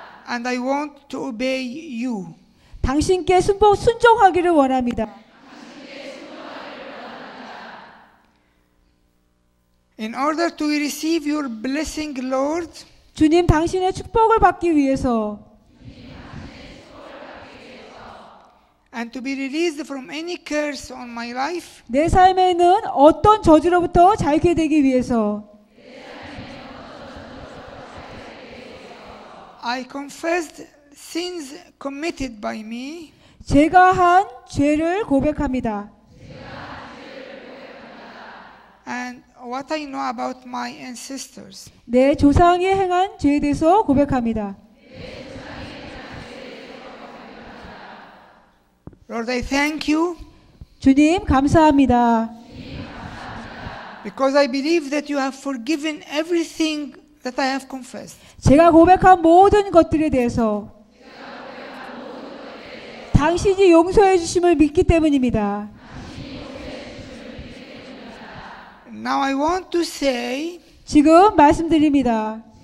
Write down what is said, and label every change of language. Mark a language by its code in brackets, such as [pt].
[en] And I want to obey you. [ko] 당신께 순종하기를 원합니다. [en] In order to receive your blessing, Lord, [ko] 주님, 당신의 축복을 받기 위해서 [en] and to be released from any curse on my life, [ko] 내 삶에 있는 어떤 저주로부터 자유케 되기 위해서 [en] I confessed sins committed by me, [ko] 제가 한 죄를 고백합니다. [en] And what I know about my ancestors. [ko] 내 조상이 행한 죄에 대해서 고백합니다. [en] Lord, I thank you. [ko] 주님, 감사합니다. [en] Because I believe that you have forgiven everything that I have confessed. [ko] 제가 고백한 모든 것들에 대해서 당신이 용서해 주심을 믿기 때문입니다. [en] Now I want to say [ko] 지금 말씀드립니다.